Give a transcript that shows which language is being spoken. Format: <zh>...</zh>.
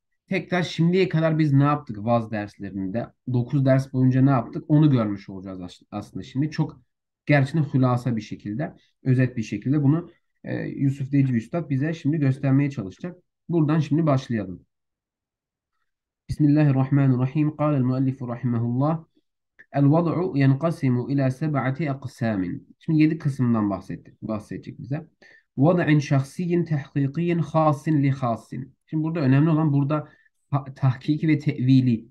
<tr>Tekrar şimdiye kadar biz ne yaptık vaz derslerinde? 9 ders boyunca ne yaptık? Onu görmüş olacağız aslında şimdi. Çok gerçekten hulasa bir şekilde, özet bir şekilde bunu Yusuf Decibi Üstad bize şimdi göstermeye çalışacak. Buradan şimdi başlayalım. Bismillahirrahmanirrahim.</tr> <ar>قال المؤلف رحمه الله الوضع ينقسم إلى سبعة أقسام.</ar> <tr>Şimdi 7 kısımdan bahsedecek bize.</tr> <ar>Vada'in şahsiyyin tehkikiyyin khasin li khasin.</ar> <tr>Şimdi burada önemli olan burada tahkiki ve tevili.</tr>